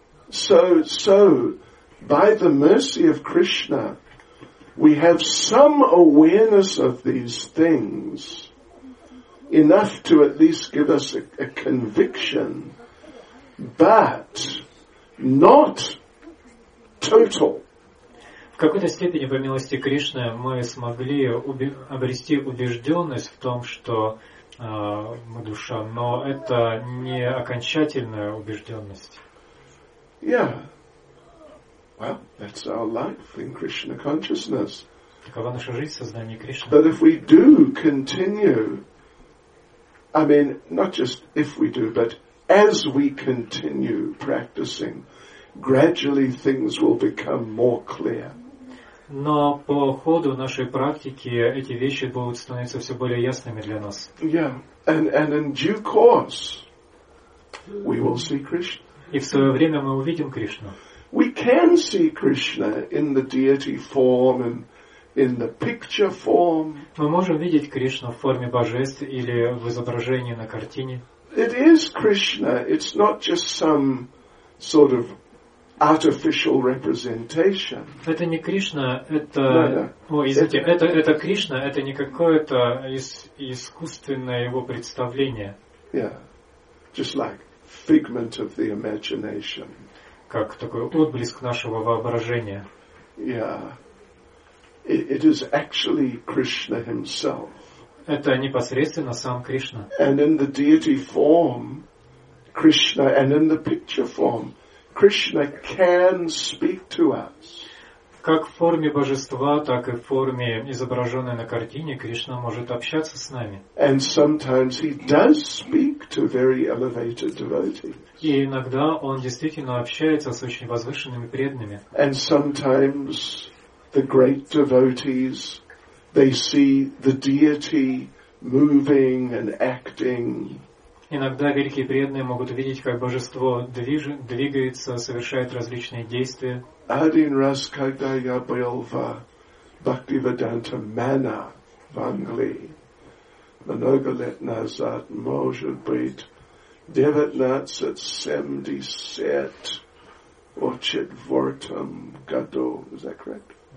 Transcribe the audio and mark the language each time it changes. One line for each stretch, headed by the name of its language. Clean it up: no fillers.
English: So by the mercy of Krishna, we have some awareness of these things, enough to at least give us a conviction, but not total.
Russian: В какой-то степени, по милости Кришны, мы смогли обрести убежденность в том, что мы душа, но это не окончательная убежденность.
English: Yeah. Well, that's our life in Krishna consciousness.
Russian: Такова наша жизнь в сознании Кришны.
English: But if we do continue, I mean, not just if we do, but as we continue practicing, gradually things will become more clear.
Russian: Но по ходу нашей практики эти вещи будут становиться все более ясными для нас.
English: Yeah, and in due course, we will see Krishna.
Russian: И в свое время мы увидим Кришну.
English: We can see Krishna in the deity form and in the picture form.
Russian: Мы можем видеть Кришну в форме божеств или в изображении на картине.
English: It is Krishna. It's not just some sort of artificial representation.
Russian: Это не Кришна, это...
English: No.
Russian: Ой, извините, это Кришна, это не какое-то искусственное его представление.
English: Yeah. just like figment of the imagination.
Russian: Как такой отблеск нашего воображения.
English: Yeah. It is actually Krishna himself.
Russian: Это непосредственно сам Кришна.
English: And in the deity form, Krishna, and in the picture form, Krishna can speak to us.
Russian: Как в форме божества, так и в форме, изображенной на картине, Кришна может общаться с нами.
English: And sometimes he does speak to very elevated devotees.
Russian: И иногда он действительно общается с очень возвышенными преданными.
English: And sometimes the great devotees, they see the deity moving and acting.
Russian: Иногда великие преданные могут видеть, как божество двигается, совершает различные действия. Один раз, когда я был в Бхактивиданта Мана в Англии, много лет назад, может быть, 1977
English: or Chitvartam Gadu, is that correct?